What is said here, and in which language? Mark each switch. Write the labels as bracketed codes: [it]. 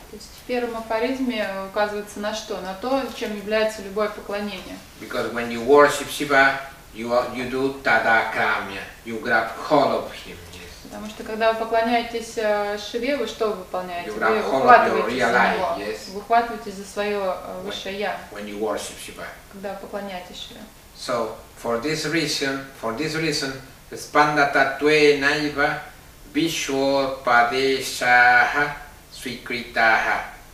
[ru] То есть в первом афоризме указывается на что? На то, чем является любое поклонение. [en] Because when you worship Shiva, you do tada kramya. You grab hold of him. Yes. [ru] Потому что когда вы поклоняетесь Шиве, вы что выполняете? Вы ухватываетесь за него. [en] Yes? [ru] Вы ухватываетесь за свое высшее Я. [en] When you worship Shiva. [ru] Когда вы поклоняетесь Шиве. [en] So for this reason, [sa] Spandata tve naiva visho padeshaha svikritaha.